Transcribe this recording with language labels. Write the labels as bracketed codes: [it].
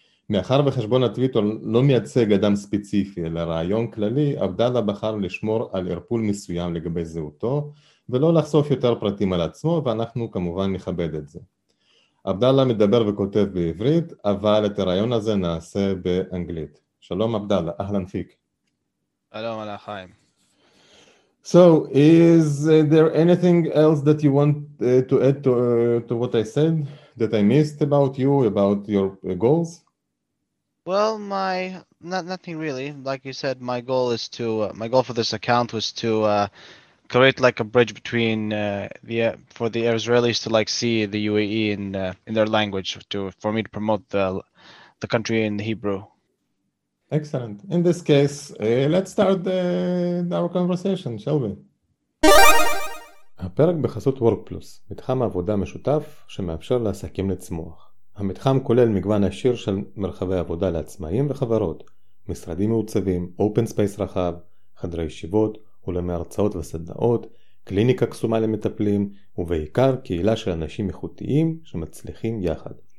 [he] מאחר וחשבון הטוויטר לא מייצג אדם ספציפי, אלא רעיון כללי, אבדאללה בחר לשמור על ערפול מסוים לגבי זהותו, ולא לחשוף יותר פרטים על עצמו, ואנחנו כמובן נכבד את זה. אבדאללה מדבר וכותב בעברית, אבל את הרעיון הזה נעשה באנגלית. [ar] Shalom Abdallah, ahlan fik. Shalom alaikum. [en] So, is there anything else that you want to add to what I said that I missed about you, about your goals? Well, nothing really. Like you said, my goal for this account was to create like a bridge between for the Israelis to like see the UAE in their language, for me to promote the country in Hebrew. Excellent. In this case, let's start our conversation, shall we? [he] הפרק בחסות Work Plus, מתחם עבודה משותף שמאפשר לעסקים לצמוח. המתחם כולל מגוון עשיר של מרחבי עבודה לעצמאים וחברות, משרדים מעוצבים, open space רחב, חדרי ישיבות, אולמי הרצאות וסדנאות, קליניקה קסומה למטפלים, ובעיקר קהילה של אנשים איכותיים שמצליחים יחד.